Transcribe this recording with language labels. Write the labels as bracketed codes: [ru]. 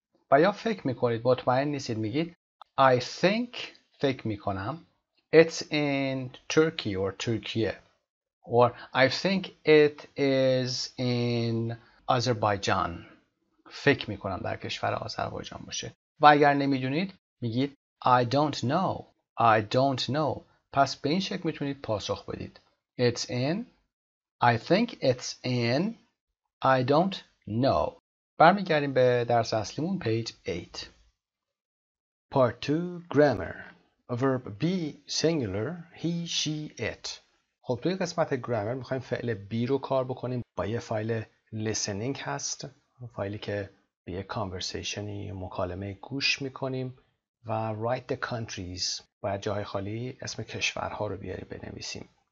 [fa] و یا فکر میکنید، مطمئن نیستید، میگید [en] I think، [fa] فکر میکنم [en] It's in Turkey or [fa] ترکیه، [en] or I think it is in Azerbaijan، [fa] فکر میکنم در کشور آذربایجان باشه. و اگر نمیدونید میگید [en] I don't know. I don't know. [fa] پس به این شکل میتونید پاسخ بدید. [en] It's in، I think it's in، I don't know. [fa] برمیگردیم به درس اصلیمون، پیج 8. [en] Part 2 Grammar. Verb be singular he she it. [fa] خب توی قسمت گرامر میخواییم فعل بی رو کار بکنیم با یه فایل لیسنینگ هست، فایلی که به یه کانورسیشنی مکالمه گوش میکنیم و [en] write the countries، [fa] باید جای خالی اسم کشورها رو بیاری بنویسیم.